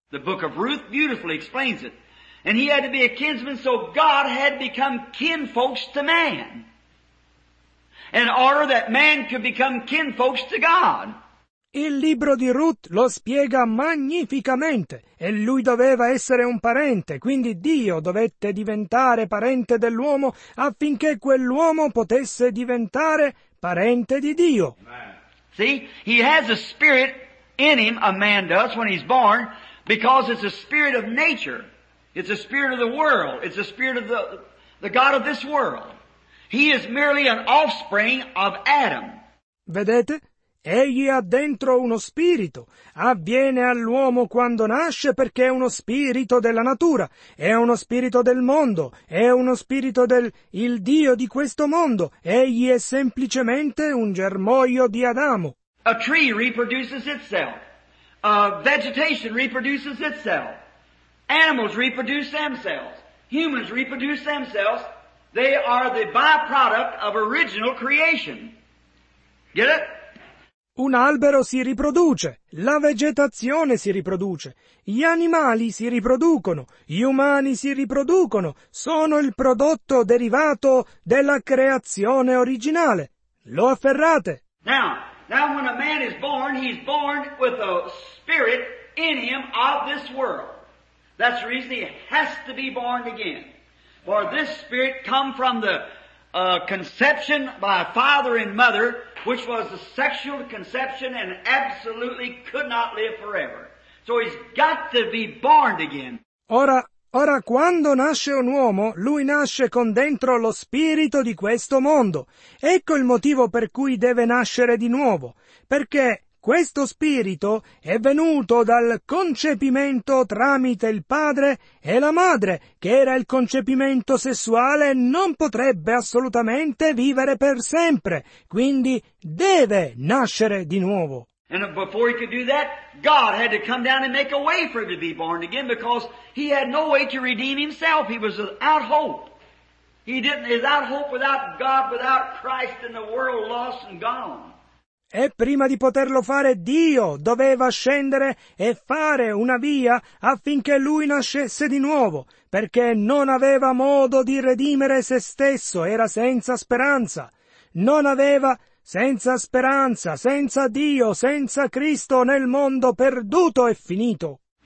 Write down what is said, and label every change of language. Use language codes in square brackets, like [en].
[en] The book of Ruth beautifully explains it. And he had to be a kinsman, so God had become kinfolks to man. In order that man could become kinfolks to God. [it] Il libro di Ruth lo spiega magnificamente. E lui doveva essere un parente, quindi Dio dovette diventare parente dell'uomo affinché quell'uomo potesse diventare parente di Dio. Amen. [en] See, he has a spirit in him, a man does, when he's born. Because it's a spirit of nature. It's a spirit of the world. It's a spirit of the God of this world. He is merely an offspring of Adam. [it] Vedete? Egli ha dentro uno spirito. Avviene all'uomo quando nasce perché è uno spirito della natura. È uno spirito del mondo. È uno spirito del il Dio di questo mondo. Egli è semplicemente un germoglio di Adamo. [en] A tree reproduces itself. Vegetation reproduces itself. Animals reproduce themselves. Humans reproduce themselves. They are the byproduct of original creation. Get it? [it] Un albero si riproduce, la vegetazione si riproduce, gli animali si riproducono, gli umani si riproducono, sono il prodotto derivato della creazione originale. Lo afferrate? [en] Now when a man is born, he's born with a spirit in him of this world. That's the reason he has to be born again. For this spirit come from the conception by father and mother, which was a sexual conception and absolutely could not live forever. So he's got to be born again. [it] Ora, quando nasce un uomo, lui nasce con dentro lo spirito di questo mondo. Ecco il motivo per cui deve nascere di nuovo. Perché questo spirito è venuto dal concepimento tramite il padre e la madre, che era il concepimento sessuale, non potrebbe assolutamente vivere per sempre. Quindi deve nascere di nuovo. [en] And before he could do that, God had to come down and make a way for him to be born again, because he had no way to redeem himself. He was without hope. He didn't, without hope, without God, without Christ, in the world lost and gone. [it] E prima di poterlo fare, Dio doveva scendere e fare una via affinché lui nascesse di nuovo, perché non aveva modo di redimere se stesso, era senza speranza. Non aveva... Senza speranza, senza Dio, senza Cristo, nel mondo perduto e finito.